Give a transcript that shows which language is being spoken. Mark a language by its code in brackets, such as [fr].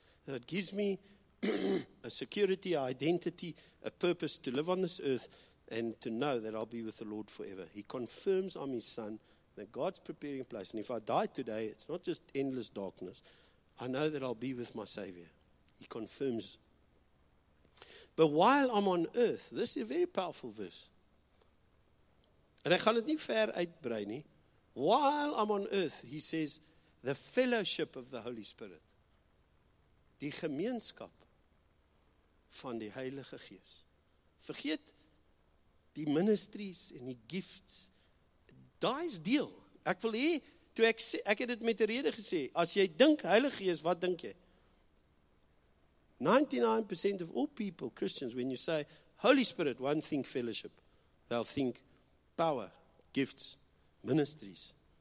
[en] So it gives me a security, a identity, a purpose to live on this earth, and to know that I'll be with the Lord forever. He confirms I'm his son, that God's preparing a place. And if I die today, it's not just endless darkness. I know that I'll be with my Savior. He confirms. But while I'm on earth, this is a very powerful verse. And I [af] gaan het nie ver uitbrei nie. [en] While I'm on earth, he says, the fellowship of the Holy Spirit. [af] Die gemeenskap van die Heilige Gees. Vergeet die ministries en die gifts, daai is deel. Ek wil hê, toe ek het dit met die rede gesê, as jy dink Heilige Gees, wat dink jy? [en] 99% of all people, Christians, when you say, Holy Spirit, one think fellowship, they'll think power, gifts, ministries.